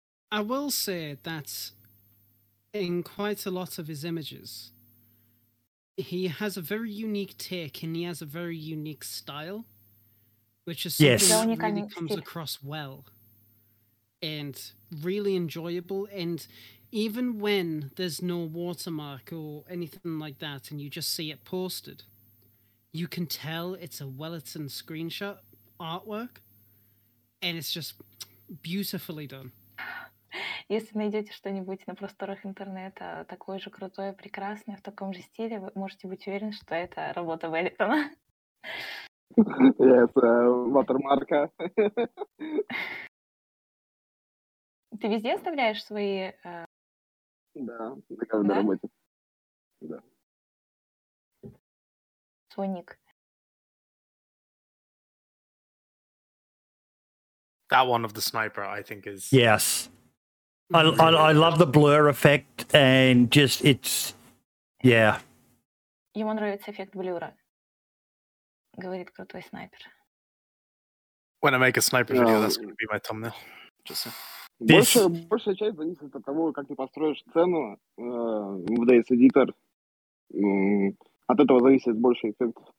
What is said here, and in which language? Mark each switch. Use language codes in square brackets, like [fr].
[en] I will say that in quite a lot of his images, he has a very unique take and he has a very unique style, which is something that really comes across well and really enjoyable. And even when there's no watermark or anything like that and you just see it posted, you can tell it's a Wellington screenshot artwork and it's just beautifully done. [ru] Если найдете что-нибудь на просторах интернета такое же крутое, прекрасное, в таком же стиле, вы можете быть уверены, что это работа Вэллитона. [en] Yes, [ru] ватермарка. Ты везде оставляешь свои... Да, на каждой работе. Да. Соник. [en] That one of the sniper, I think, is... Yes. I love the blur effect and just it's yeah. [ru] Ему нравится эффект блюра. Говорит крутой снайпер. [en] When I make a sniper video, that's going to be my thumbnail. Just so. [ru] Большая часть зависит от того, как ты построишь сцену в DayZ Editor. А От этого зависит больше эффект.